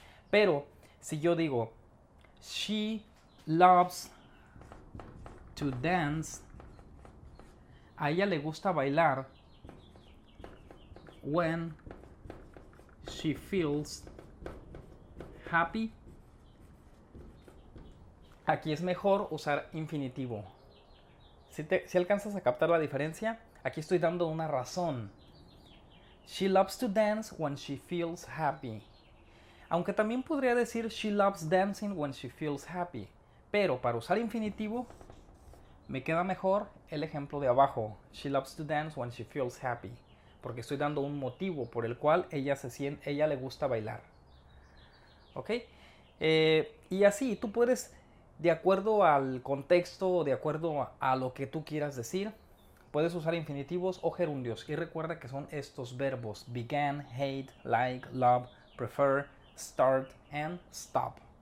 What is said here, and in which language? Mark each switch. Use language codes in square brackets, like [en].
[es] Pero si yo digo [en] she loves to dance, [es] a ella le gusta bailar [en] when she feels happy, [es] aquí es mejor usar infinitivo. si alcanzas a captar la diferencia, aquí estoy dando una razón. [en] She loves to dance when she feels happy. [es] Aunque también podría decir [en] she loves dancing when she feels happy. [es] Pero para usar infinitivo, me queda mejor el ejemplo de abajo. [en] She loves to dance when she feels happy. [es] Porque estoy dando un motivo por el cual ella se siente, ella le gusta bailar. ¿Ok? Y así, tú puedes, de acuerdo al contexto, de acuerdo a lo que tú quieras decir, puedes usar infinitivos o gerundios. Y recuerda que son estos verbos. [en] Began, hate, like, love, prefer, start and stop.